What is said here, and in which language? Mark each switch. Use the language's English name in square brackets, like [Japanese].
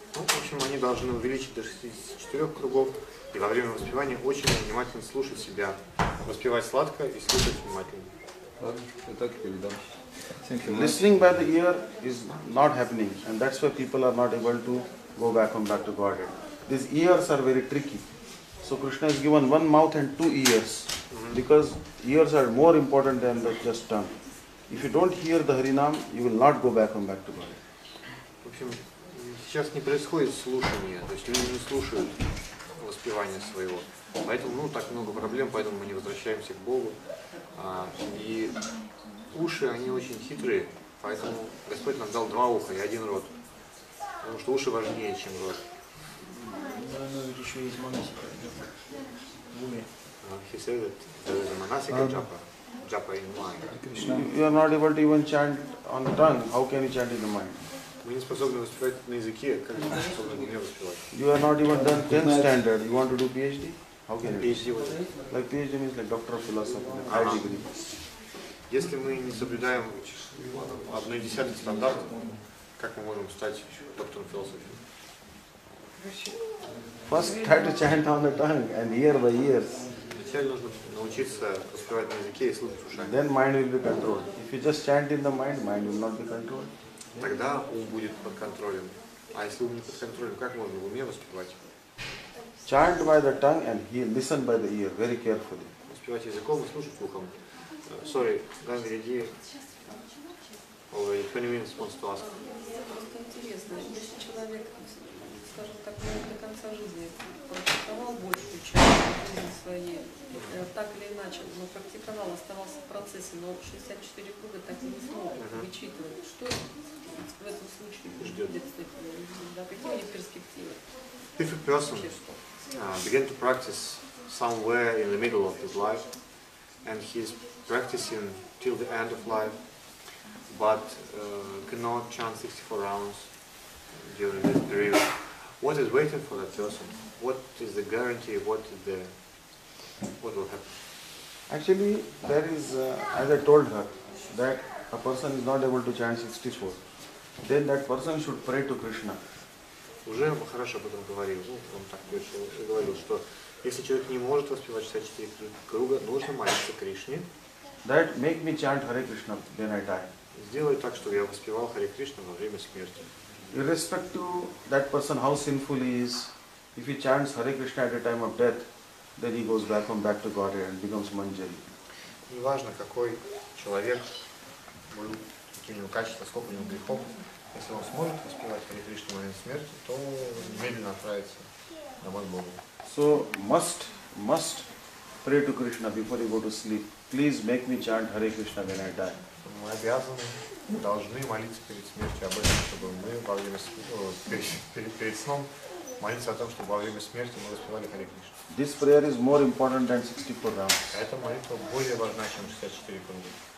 [Russian] Ну, в общем, они должны увеличить до 64 кругов и во время воспевания очень внимательно слушать себя. Воспевать сладко и слушать внимательно. Ладно, так и передам. [English] Listening by the ear is not happening, and that's why people are not able to go back home, back to Godhead. These ears are very tricky. So Krishna has given one mouth and two ears, because ears are more important than the just tongue. If you don't hear the Harinam, you will not go back home, back to Godhead. [Russian] Сейчас не происходит слушания, то есть люди не слушают воспевания своего. Поэтому, ну, так много проблем, поэтому мы не возвращаемся к Богу. И уши, они очень хитрые, поэтому Господь нам дал два уха и один рот. Потому что уши важнее, чем рот. Но ведь еще есть манасика в уме. [English] He said that there is a манасика джапа. Джапа in mind. You are not able to even chant on the tongue. How can you chant in the mind? [Russian] Мы не способны воспевать на языке, как мы способны не воспевать. [English] You are not even done 10th standard. You want to do PhD? How can you? PhD was like PhD means like doctor of philosophy, like high degree. [Russian] Если мы не соблюдаем 1/10 стандарт, как мы можем стать доктором философии? [English] First try to chant on the tongue and ear by ears. [Russian] Сначала нужно научиться воспевать на языке и слушать ушами. [English] Then mind will be controlled. If you just chant in the mind, mind will not be controlled. [Russian] Тогда ум будет под контролем. А если ум не под контролем, как можно в уме воспевать? [English] Chant by the tongue and listen by the ear very carefully. [Russian] Воспевать языком и слушать ухом. [English] Sorry, Дан Вереди. Already 20 minutes wants to ask. [Russian] Просто интересно, если человек, скажем так, до конца жизни практиковал большую часть жизни своей, так или иначе, но практиковал, оставался в процессе, но 64 круга так и не смог вычитывать. Что в этом случае ждет? Да, какие у них перспективы? [English] If a person began to practice somewhere in the middle of his life, and he's practicing till the end of life, but cannot chant 64 rounds during this period, what is waiting for that person? What is the guarantee? What will happen? Actually, there is, as I told her, that a person is not able to chant 64. Then that person should pray to Krishna. [Russian] Уже хорошо об этом говорил, ну, он так больше говорил, что если человек не может воспевать 64 круга, нужно молиться Кришне. [English] That make me chant Hare Krishna when I die. [Russian] Сделай так, чтобы я воспевал Hare Krishna во время смерти. [English] Irrespective of that person, how sinful he is, if he chants Hare Krishna at the time of death, then he goes back home, back to God and becomes Manjari. [Russian] Неважно, какой человек был, какие у него качества, сколько у него грехов, если он сможет воспевать Hare Krishna во время смерти, то немедленно отправится домой к Богу. [English] So must pray to Krishna before you go to sleep. Please make me chant Hare Krishna when I die. [Russian] Мы обязаны, должны молиться перед смертью об этом, чтобы мы во время перед сном молиться о том, чтобы во время смерти мы воспевали Hare Krishna. [English] This prayer is more important than 64 rounds. [Russian] Эта молитва более важна, чем 64 круга.